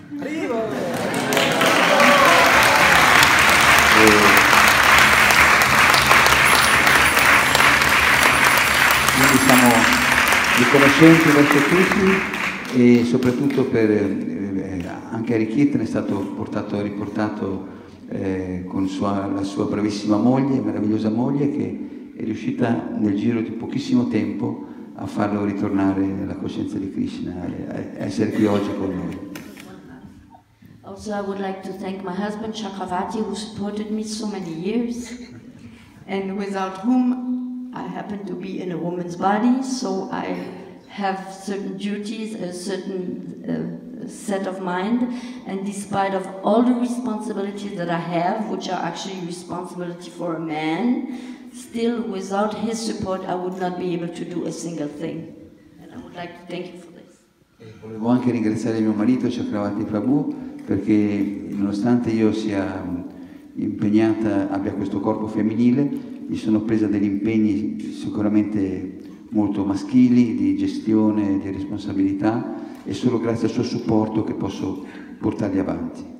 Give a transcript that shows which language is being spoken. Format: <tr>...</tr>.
<it>Quindi siamo riconoscenti verso tutti e soprattutto per anche Hare Krishna è stato portato riportato con la sua bravissima moglie, meravigliosa moglie, che è riuscita nel giro di pochissimo tempo a farlo ritornare nella coscienza di Krishna, a essere qui oggi con noi.</it> <en>Also I would like to thank my husband Chakravarti, who supported me so many years and without whom I happen to be in a woman's body, so I have certain duties, a certain set of mind, and despite of all the responsibilities that I have, which are actually responsibility for a man, still without his support I would not be able to do a single thing, and I would like to thank you for this.</en> <it>Volevo anche ringraziare mio marito Chakravarti Prabhu, perché nonostante io sia impegnata, abbia questo corpo femminile, mi sono presa degli impegni sicuramente molto maschili, di gestione, di responsabilità, e solo grazie al suo supporto che posso portarli avanti.</it>